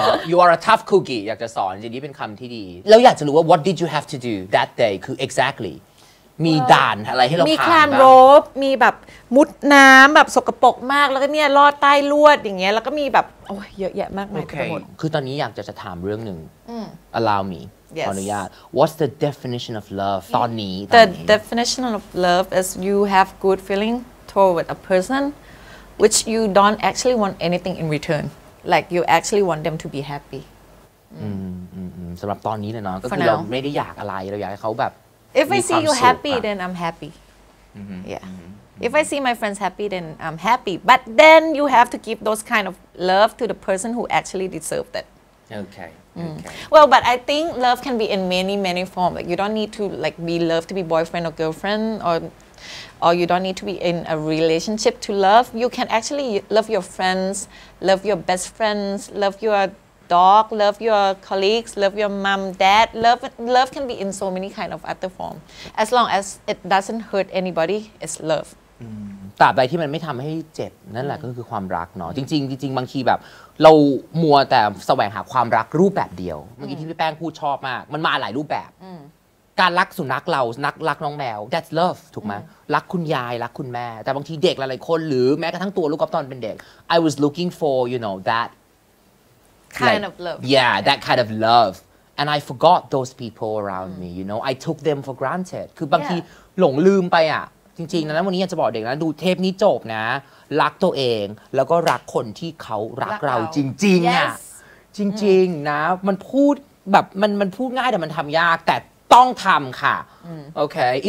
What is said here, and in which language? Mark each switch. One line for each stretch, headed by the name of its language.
English: You are a tough cookie
Thai: อยากจะสอนจริงๆเป็นคำที่ดีแล้วอยากจะรู้ว่า
English: what did you have to do that day
Thai: คือ exactlyมีด่านอะไรให้เราผ่าน มี คลานโรบมีแบบมุดน้ำแบบสกปรกมากแล้วก็เนี่ยลอดใต้ลวดอย่างเงี้ยแล้วก็มีแบบโอ้ยเยอะแยะมากมายทั้งหมด คือตอนนี้อยากจะถามเรื่องหนึ่ง
English: allow me
Thai: ขออนุญาต
English: what's the definition of love
Thai: ตอนนี้
English: the definition of love is you have good feeling toward a person which you don't actually want anything in return like you actually want them to be happy
Thai: สำหรับตอนนี้เลยเนาะก็คือเราไม่ได้อยากอะไรเราอยากให้เขาแบบ
English: If I see you happy, then I'm happy. Mm-hmm. Yeah. Mm-hmm. If I see my friends happy, then I'm happy. But then you have to give those kind of love to the person who actually deserved it. Okay. Well, but I think love can be in many, many forms. Like you don't need to like be love to be boyfriend or girlfriend, or you don't need to be in a relationship to love. You can actually love your friends, love your best friends, love your... dog love your colleagues love your mom dad love can be in so many kind of other form as long as it doesn't hurt anybody it's love
Thai: ตราบใดที่มันไม่ทำให้เจ็บนั่นแหละก็คือความรักเนาะจริงๆบางทีแบบเรามัวแต่แสวงหาความรักรูปแบบเดียวเมื่อกี้ที่พี่แป้งพูดชอบมากมันมาหลายรูปแบบการรักสุนัขเรานักน้องแมว
English: that's love
Thai: ถูกไหมรักคุณยายรักคุณแม่แต่บางทีเด็กหลายคนหรือแม้กระทั่งตัวลูกก๊อฟตอนเป็นเด็ก
English: I was looking for you know that Kind of love. Yeah, that kind of love. And I forgot those people around me, you know. I took them for granted.
Thai: คือบางทีหลงลืมไปอ่ะจริงๆนะวันนี้อยากจะบอกเด็กนะดูเทปนี้จบนะรักตัวเองแล้วก็รักคนที่เขารักเราจริงๆอ่ะจริงๆนะมันพูดแบบมันพูดง่ายแต่มันทำยากแต่ต้องทำค่ะโอเคอ